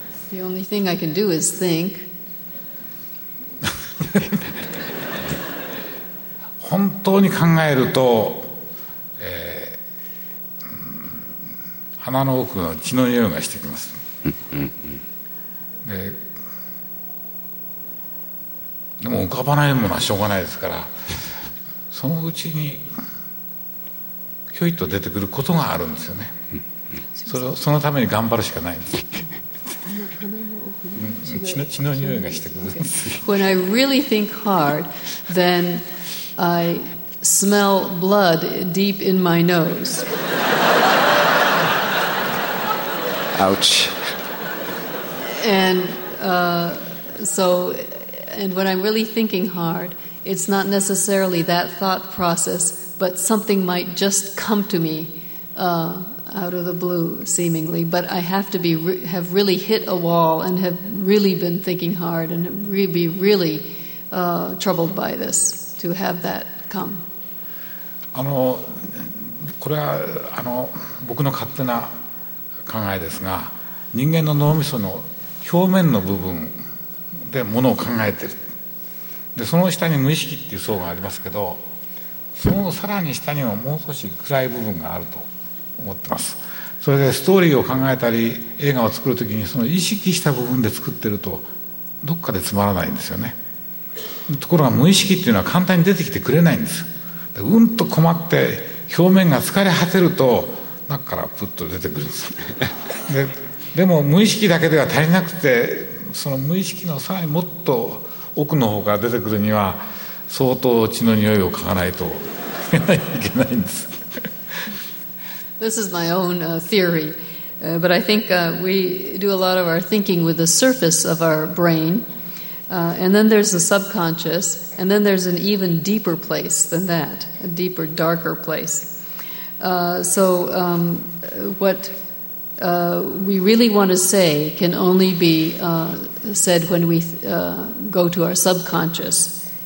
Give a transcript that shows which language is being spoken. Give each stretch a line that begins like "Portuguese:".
English: The only thing I can do is think.
Japanese: 本当に考えると、鼻の奥の血の匂いがしてきます。でも浮かばないものはしょうがないですから、そのうちにひょいと出てくることがあるんですよね。そのために頑張るしかないんです。血の匂いがしてくる。
English: When I really think hard, then I smell blood deep in my nose. Ouch. And when I'm really thinking hard, it's not necessarily that thought process, but something might just come to me out of the blue, seemingly. But I have to be have really hit a wall and have really been thinking hard and be really troubled by this to have that come.
Japanese: これは僕の勝手な考えですが、人間の脳みその表面の部分でものを考えている。で、その下に無意識っていう層がありますけど、そのさらに下にはもう少し暗い部分があると思ってます。それでストーリーを考えたり、映画を作るときにその意識した部分で作ってると、どっかでつまらないんですよね。ところが無意識っていうのは簡単に出てきてくれないんです。で、うんと困って表面が疲れ果てると中からプッと出てくるんです。でも無意識だけでは足りなくて、その無意識のさらにもっと奥の方から出てくるには相当血の匂いを嗅がないといけないんです。
English: This is my own theory, but I think we do a lot of our thinking with the surface of our brain, and then there's the subconscious, and then there's an even deeper place than that, a deeper, darker place. What we really want to say can only be said when we go to our subconscious.